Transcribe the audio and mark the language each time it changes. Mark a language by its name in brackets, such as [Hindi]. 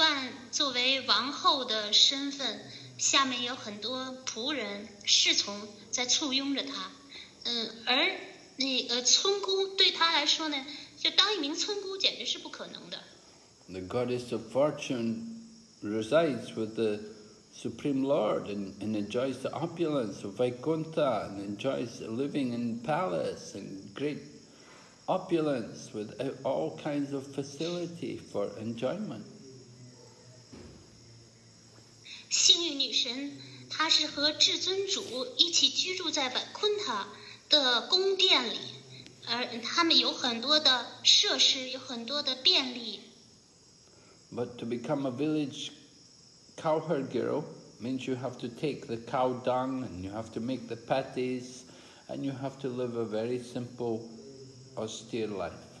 [Chinese] 幸运女神呢，习惯了有富裕的氛围，她习惯作为王后的身份。下面有很多仆人、侍从在簇拥着他，而那个村姑对他来说呢，就当一名村姑简直是不可能的。 [English] The goddess of fortune resides with the supreme lord and enjoys the opulence of Vaikuntha and enjoys living in palace and great opulence with all kinds of facility for enjoyment. [Chinese] 幸运女神，她是和至尊主一起居住在百昆塔的宫殿里，而他们有很多的设施，有很多的便利。 [English] But to become a village cowherd girl means you have to take the cow dung and you have to make the patties and you have to live a very simple, austere life.